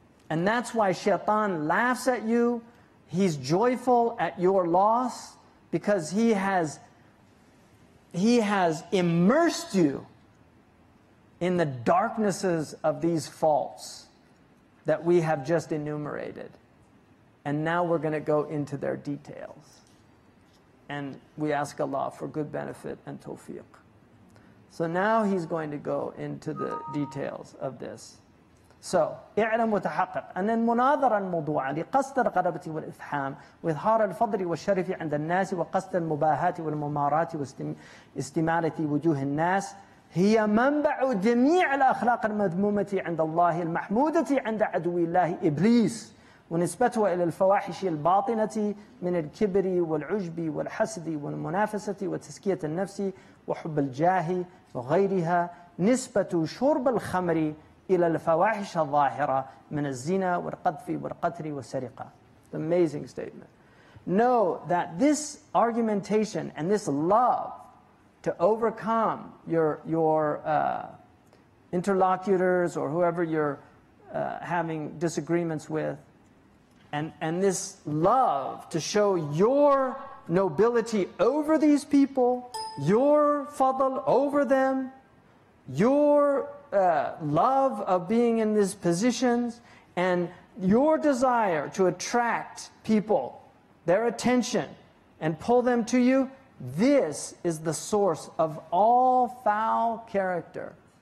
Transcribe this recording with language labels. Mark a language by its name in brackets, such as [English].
[English] And that's why shaitan laughs at you. He's joyful at your loss because he has immersed you in the darknesses of these faults that we have just enumerated. And now we're going to go into their details. And we ask Allah for good benefit and tawfiq. So now he's going to go into the details of this. [Arabic] So, اعلم وتحقق أن المناظرة الموضوعة لقصد الغلبة والإفحام وإظهار الفضل والشرف عند الناس وقصد المباهاة والممارات واستمالة وجوه الناس هي منبع جميع الأخلاق المذمومة عند الله المحمودة عند عدو الله إبليس ونسبته إلى الفواحش الباطنة من الكبر والعجب والحسد والمنافسة وتزكية النفس وحب الجاه وغيرها نسبة شرب الخمر إلى الفواحش الظاهرة من الزنا والقذف والقتل والسرقة. [English] Amazing statement. Know that this argumentation and this love to overcome your interlocutors or whoever you're having disagreements with, and this love to show your nobility over these people, your fadl over them, your love of being in these positions, and your desire to attract people, their attention, and pull them to you, this is the source of all foul character.